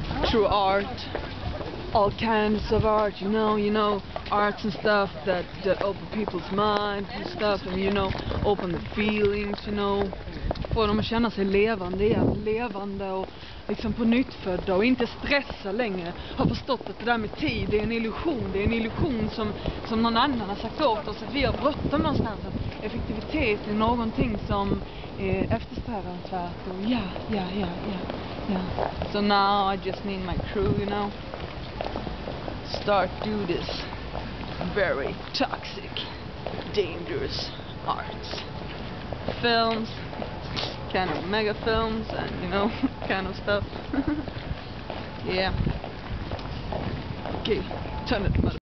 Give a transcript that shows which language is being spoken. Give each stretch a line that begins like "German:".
English: True art, all kinds of art, you know, arts and stuff that open people's minds and stuff, and you know, open the feelings, you know.
Swedish: Får dem att känna sig levande igen, levande och liksom på nytt födda och inte stressa längre. Har förstått att det där med tid är en illusion, det är en illusion som någon annan har sagt åt oss, att vi har bråttom någonstans, att effektivitet är någonting som är eftersträvansvärt och
English: So now I just need my crew, you know, start do this very toxic, dangerous arts. Films, kind of mega films and, you know, kind of stuff. Yeah. Okay, turn it.